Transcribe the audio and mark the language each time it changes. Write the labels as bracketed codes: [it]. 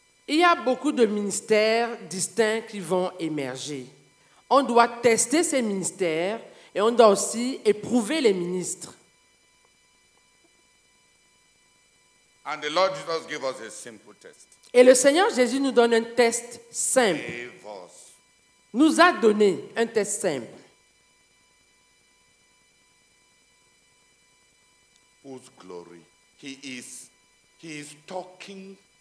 [fr] Il y a beaucoup de ministères distincts qui vont émerger. On doit tester ces ministères et on doit aussi éprouver les ministres. [en] And the Lord Jesus gave us a simple test. [fr] Et le Seigneur Jésus nous donne un test simple. Nous a donné un test simple. [en] Whose glory? He is talking.